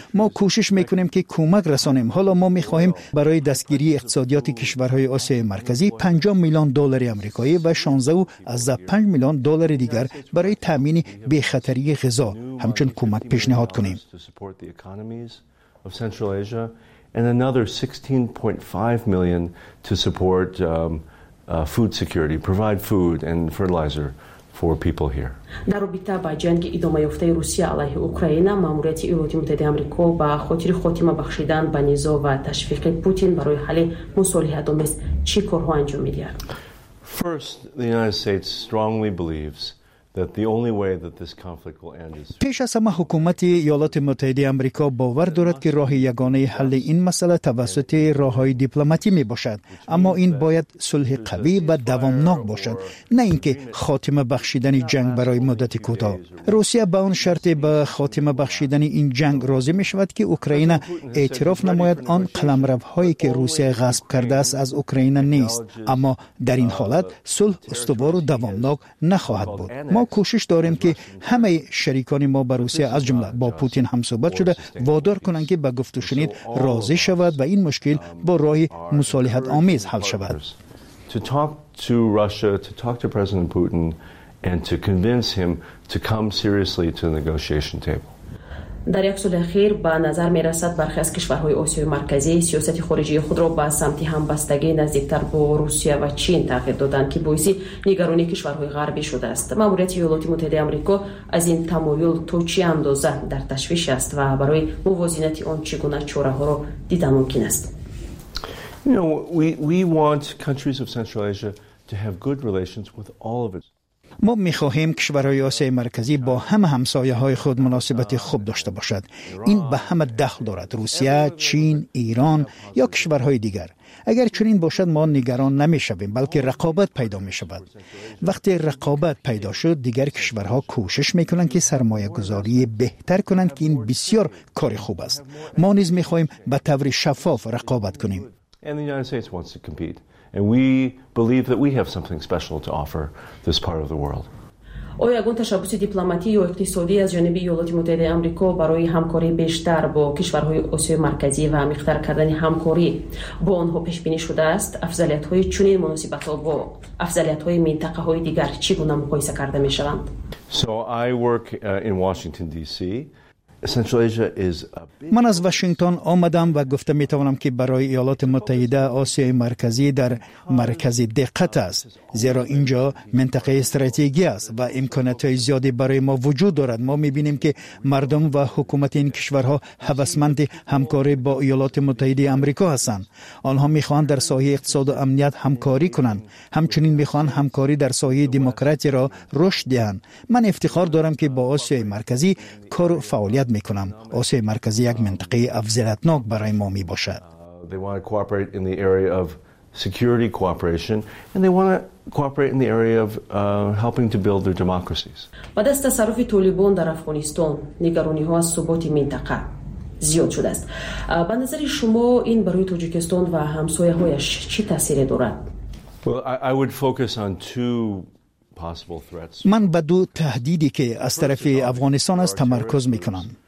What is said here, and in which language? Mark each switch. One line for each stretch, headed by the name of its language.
Persian: ما کوشش میکنیم که کمک رسانیم. حالا ما میخواهیم برای دستگیری اقتصادیات کشورهای آسیای مرکزی 50 میلیون دلار آمریکایی و 16.5 میلیون دلار دیگر برای تامین بی خطری غذا همچون کمک پیشنهاد کنیم.
English: And another 16.5 million to support food security, provide food and fertilizer for people here.
Persian: در رابطه با جنگ ادامه یافته روسیه علیه اوکراین، ماموریت ایالات متحده آمریکا با خاطر خاتمه بخشیدن به نزاع و تشویق پوتین برای حل مصالحه دومس چی کارها انجام می‌دهد؟
English: First, the United States strongly believes that the only way that this conflict will end is
Persian: پیش از همه حکومت ایالات متحده آمریکا باور دارد که راه یگانه حل این مسئله توسط راه‌های دیپلماتیک میباشد، اما این باید صلح قوی و دوامناک باشد، نه اینکه خاتمه بخشیدن جنگ برای مدت کوتاه. روسیه به آن شرط به خاتمه بخشیدن این جنگ راضی میشود که اوکراین اعتراف نماید آن قلمروهایی که روسیه غصب کرده است از اوکراین نیست، اما در این حالت صلح استوار و دوامناک نخواهد بود. ما کوشش داریم که همه شریکان ما به روسیه از جمله با پوتین هم صحبت شده وادار کنند که به گفت و شنید راضی شود و این مشکل با راه مصالحت آمیز حل شود.
English: To talk to Russia, to talk to President Putin and to convince him to come seriously to the negotiation table.
Persian: در یک سال اخیر به نظر می رسد برخی از کشورهای آسیای مرکزی سیاست خارجی خود را به سمت همبستگی نزدیکتر با روسیه و چین تغییر دادند که باعث نگرانی کشورهای غربی شده است. ماموریت ایالات متحده آمریکا از این تمایل تا چه اندازه در تشویش است و برای موازنت آن چگونه چاره ها را دیدن ممکن است؟ We want countries of Central Asia to have good relations with all of its. ما می خواهیم کشورهای آسیای مرکزی با همه همسایه های خود مناسبت خوب داشته باشد. این به همه دخل دارد، روسیه، چین، ایران یا کشورهای دیگر. اگر چنین باشد ما نگران نمی شویم، بلکه رقابت پیدا می شود. وقتی رقابت پیدا شد دیگر کشورها کوشش می کنند که سرمایه گذاری بهتر کنند که این بسیار کار خوب است. ما نیز می خواهیم به طور شفاف رقابت کنیم.
English: And we believe that we have something special to offer this part of the world.
Persian: آیا گونه تشابه دیپلماتیک و اقتصادی از جانب ایالات متحده آمریکا برای همکاری بیشتر با کشورهای آسیای مرکزی و میختر کردن همکاری با آنها پیش بینی شده است؟ افضلیت های چنین مناسبت ها با افضلیت های منطقه های دیگر چگونه مقایسه کرده می شوند؟
English: So I work in Washington DC. Central Asia is a big.
Persian: من از واشنگتن آمدم و گفته می توانم که برای ایالات متحده آسیای مرکزی در مرکز دقت است، زیرا اینجا منطقه استراتژی است و امکانات زیادی برای ما وجود دارد. ما می بینیم که مردم و حکومت این کشورها هوسمند همکاری با ایالات متحده آمریکا هستند. آنها می خواهند در سایه اقتصاد و امنیت همکاری کنند، همچنین می خواهند همکاری در سایه دموکراسی را رشد دهند. من افتخار دارم که با آسیای مرکزی کار و فعالیت میکنم. آسیای مرکزی یک منطقه افضلتناک برای ما میباشد.
English: They want to cooperate in the area of security cooperation and they want to cooperate in the area of helping to build their democracies.
Persian: بعد از تصرف طالبان در افغانستان نگرانی ها از ثبات منطقه زیاد شده است. به نظر شما این برای تاجیکستان و همسایه هایش چی تاثیر دارد؟
English: Well, I would focus on two.
Persian: من به دو تهدیدی که از طرف افغانستان است تمرکز میکنم.